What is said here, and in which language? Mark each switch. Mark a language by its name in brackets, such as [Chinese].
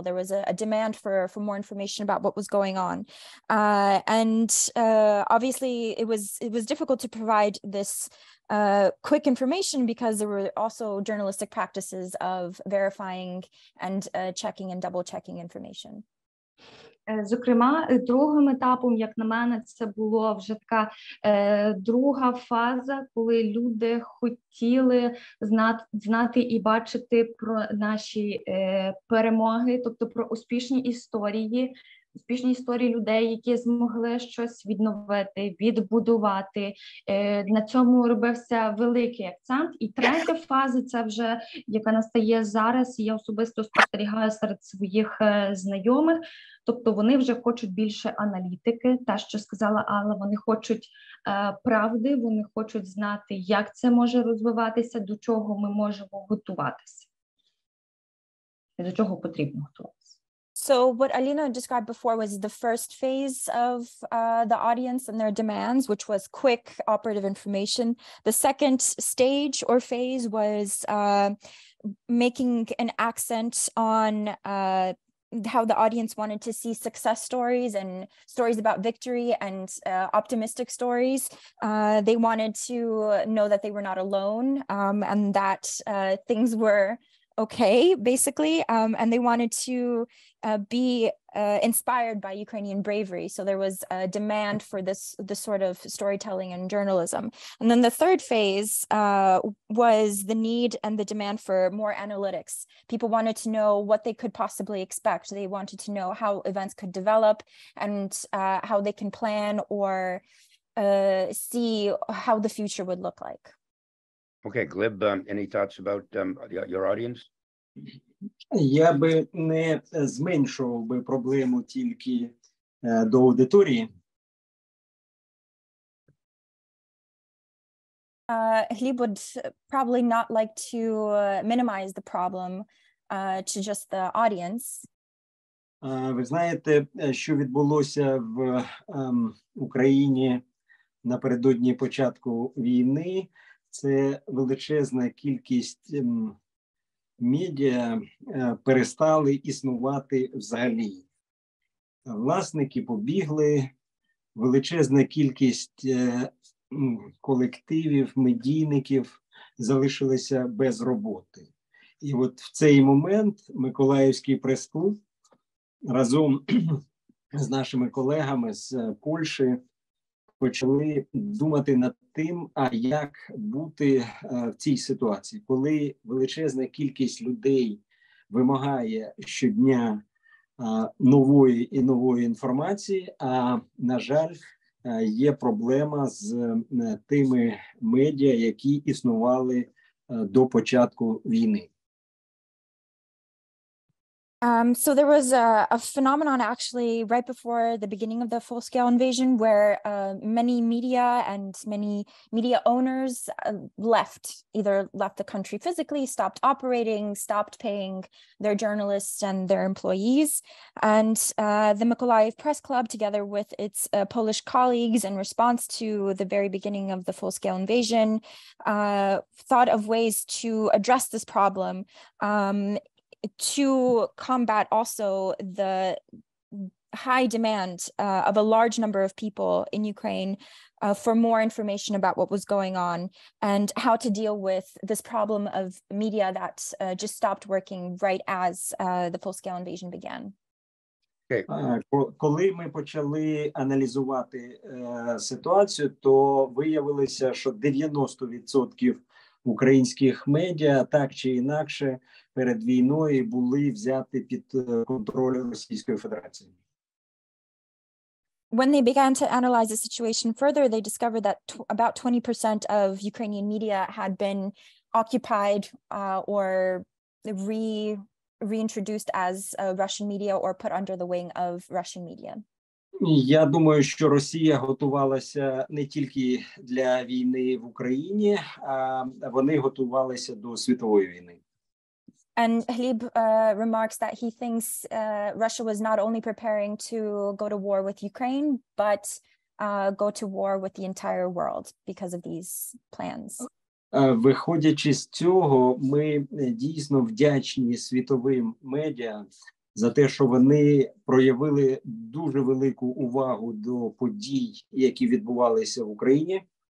[English] There was a demand for more information about what was going on. And obviously it was difficult to provide this quick information because there were also journalistic practices of verifying and checking and double checking information. [Ukrainian] Зокрема, другим етапом, як на мене, це була вже така друга фаза, коли люди хотіли знати і бачити про наші перемоги, тобто про успішні історії. успішні історії людей, які змогли щось відновити, відбудувати. На цьому робився великий акцент. І третя фаза, це вже, яка настає зараз, я особисто спостерігаю серед своїх знайомих. Тобто вони вже хочуть більше аналітики, те, що сказала Алла, вони хочуть правди, вони хочуть знати, як це може розвиватися, до чого ми можемо готуватися, і до чого потрібно готуватися. [English] So what Alina described before was the first phase of the audience and their demands, which was quick operative information. The second stage or phase was making an accent on how the audience wanted to see success stories and stories about victory and optimistic stories. They wanted to know that they were not alone and that things were okay, basically, and they wanted to be inspired by Ukrainian bravery. So there was a demand for this sort of storytelling and journalism. And then the third phase was the need and the demand for more analytics. People wanted to know what they could possibly expect. They wanted to know how events could develop and how they can plan or see how the future would look like. Окей, Глиб, any thoughts about your audience? [Ukrainian] Я би не зменшував би проблему тільки до аудиторії. [English] Глиб would probably not like to minimize the problem to just the audience. [Ukrainian] Ви знаєте, що відбулося в Україні напередодні початку війни? Це величезна кількість медіа перестали існувати взагалі. Власники побігли, величезна кількість колективів, медійників залишилися без роботи. І от в цей момент Миколаївський прес-клуб разом з нашими колегами з Польщі почали думати над тим, а як бути в цій ситуації, коли величезна кількість людей вимагає щодня нової і нової інформації, а, на жаль, є проблема з тими медіа, які існували до початку війни. [English] So there was a phenomenon actually right before the beginning of the full-scale invasion where many media and many media owners left, either left the country physically, stopped operating, stopped paying their journalists and their employees. And the Mykolaiv Press Club, together with its Polish colleagues in response to the very beginning of the full-scale invasion, thought of ways to address this problem. To combat also the high demand of a large number of people in Ukraine for more information about what was going on and how to deal with this problem of media that just stopped working right as the full-scale invasion began. Okay. [Ukrainian] Коли ми почали аналізувати ситуацію, то виявилося, що 90% українських медіа так чи інакше перед війною були взяти під контроль Російської Федерації. [English] When they began to analyze the situation further, they discovered that about 20% of Ukrainian media had been occupied or reintroduced as Russian media or put under the wing of Russian media. [Ukrainian] Я думаю, що Росія готувалася не тільки для війни в Україні, а вони готувалися до світової війни. [English] And Glib remarks that he thinks Russia was not only preparing to go to war with Ukraine, but go to war with the entire world because of these plans. [Ukrainian] Виходячи з цього, ми дійсно вдячні світовим медіа за те, що вони проявили дуже велику увагу до подій, які відбувалися в Україні.